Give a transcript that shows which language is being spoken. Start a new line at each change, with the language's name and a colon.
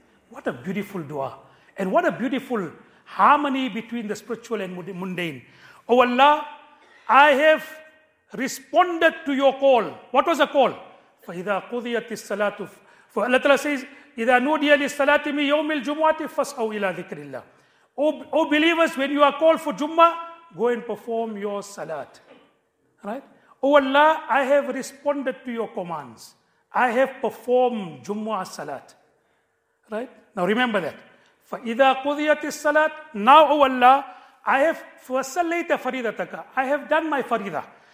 English: What a beautiful dua. And what a beautiful harmony between the spiritual and mundane. Oh Allah, I have responded to your call. What was the call?
Arabic: فَإِذَا قُضِيَتِ الصَّلَاةُ,
English: for Allah Ta'ala says,
Arabic: إِذَا نُودِيَ لِلصَّلَاةِ مِنْ يَوْمِ الْجُمُعَةِ فَاسْعَوْا إِلَىٰ ذِكْرِ اللَّهِ.
English: Oh believers, when you are called for Jummah, go and perform your salat. Right? Oh Allah, I have responded to your commands. I have performed Jumu'ah Salat. Right? Now remember that.
Arabic: فَإِذَا قُضِيَتِ الصَّلَاةِ,
English: now oh Allah, I have
Arabic: فَسَلَّيْتَ فَرِيدَتَكَ,
English: I have done my farida.